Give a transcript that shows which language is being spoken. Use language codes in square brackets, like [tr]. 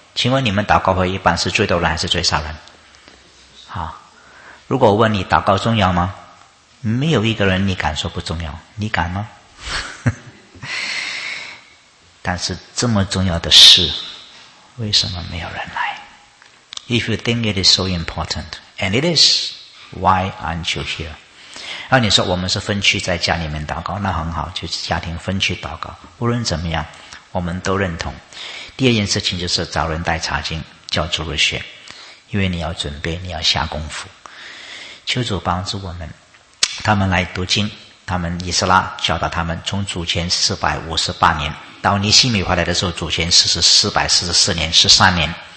[zh] 请问你们祷告会一般是最多人还是最少人？好，如果我问你祷告重要吗？没有一个人你敢说不重要，你敢吗？但是这么重要的事，为什么没有人来？ [en] If you think it is so important, and it is, why aren't you here? [zh] 然后你说我们是分区在家里面祷告，那很好，就是家庭分区祷告。无论怎么样，我们都认同。第二件事情就是找人带查经，叫主日学，因为你要准备，你要下功夫。求主帮助我们，他们来读经，他们以斯拉教导他们，从主前458年到尼西米回来的时候，主前是444年13年。